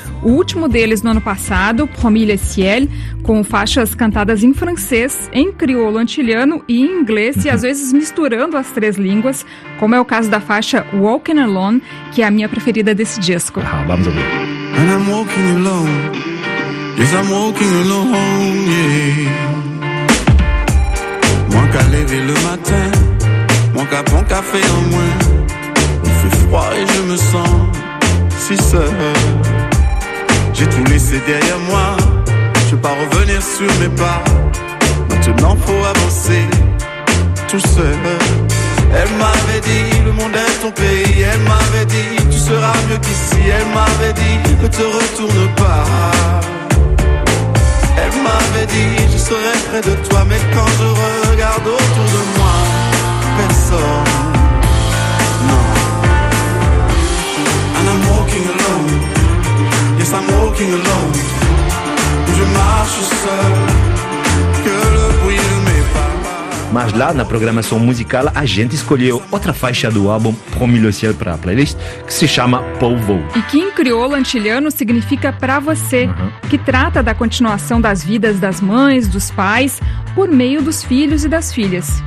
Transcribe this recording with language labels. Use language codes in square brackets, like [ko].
[pt] O último deles no ano passado, Promis le Ciel, com faixas cantadas em francês, em crioulo antilhano e em inglês, e às vezes misturando as três línguas, como é o caso da faixa Walking Alone, que é a minha preferida desse disco. Vamos ouvir. [en] And I'm walking alone. Yes, I'm walking alone, yeah. [fr] Moi qu'à lever le matin, moi qu'à prendre café en moins. Il fait froid et je me sens si seul. J'ai tout laissé derrière moi, je veux pas revenir sur mes pas. Maintenant faut avancer tout seul. Elle m'avait dit, le monde est ton pays. Elle m'avait dit, tu seras mieux qu'ici. Elle m'avait dit, ne te retourne pas. Elle m'avait dit, je serai près de toi. Mais quand je regarde autour de moi, personne. [en] Non. And I'm walking alone. Yes, I'm walking alone. [fr] Je marche seul. Que le bruit de mes pas. [pt] Mas lá na programação musical a gente escolheu outra faixa do álbum Promis le ciel para a playlist, que se chama Povo. E que em crioulo antilhano significa Pra Você, que trata da continuação das vidas das mães, dos pais, por meio dos filhos e das filhas.